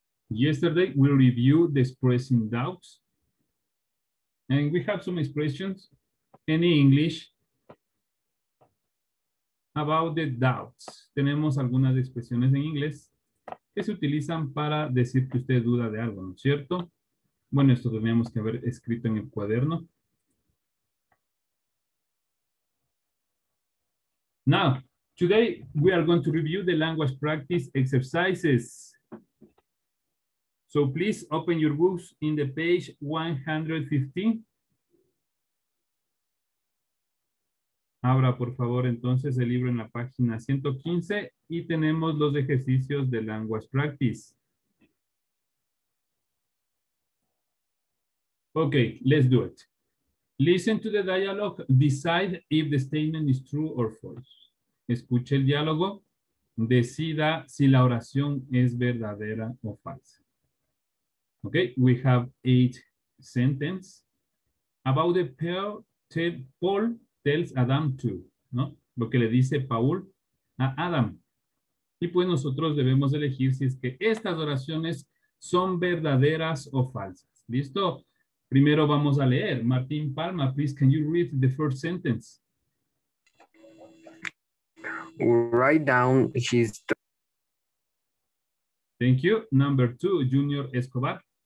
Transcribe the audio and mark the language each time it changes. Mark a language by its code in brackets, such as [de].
[en] Yesterday we reviewed the expressing doubts, and we have some expressions in English about the doubts. [es] Tenemos algunas expresiones en inglés que se utilizan para decir que usted duda de algo, ¿no es cierto? Bueno, esto tendríamos que haber escrito en el cuaderno. [en] Now, today we are going to review the language practice exercises. So please open your books in the page 115. [es] Abra por favor entonces el libro en la página 115 y tenemos los ejercicios de language practice. [en] Okay, let's do it. Listen to the dialogue, decide if the statement is true or false. [es] Escuche el diálogo, decida si la oración es verdadera o falsa. [en] Okay, we have 8 sentences. About the pair, Paul tells Adam to, ¿no? [es] Lo que le dice Paul a Adam. Y pues nosotros debemos elegir si es que estas oraciones son verdaderas o falsas. ¿Listo? Primero vamos a leer. [en] Martín Palma, please, can you read the first sentence? Write down his. Thank you. Number two, Junior Escobar.